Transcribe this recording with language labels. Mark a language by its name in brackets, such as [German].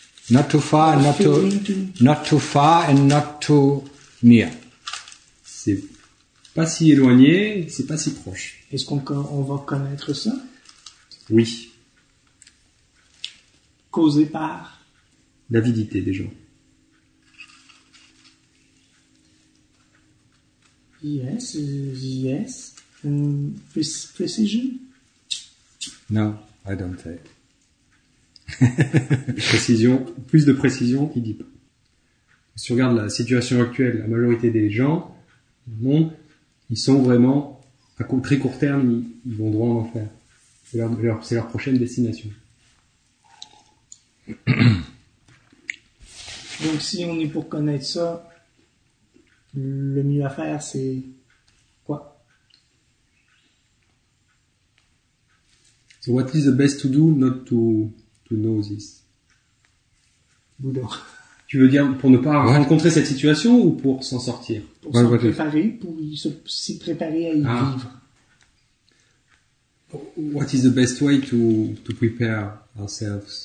[English] Not too far, not too far and not too near. [French] C'est pas si éloigné, c'est pas si proche. Est-ce qu'on va connaître ça? Oui. Causé par? L'avidité des gens. [English] Yes. Precision? No, I don't say. [French] Précision, plus de précision, il dit pas. Si tu regardes la situation actuelle, la majorité des gens, non, ils sont vraiment, à très court terme, ils vont droit en enfer. C'est leur prochaine destination. Donc, si on est pour connaître ça, le mieux à faire, c'est. [English] So what is the best to do, not to know this? [French] Bouddha. Tu veux dire pour ne pas rencontrer cette situation ou pour s'en sortir? Pour s'y préparer à y vivre. [English] What is the best way to prepare ourselves?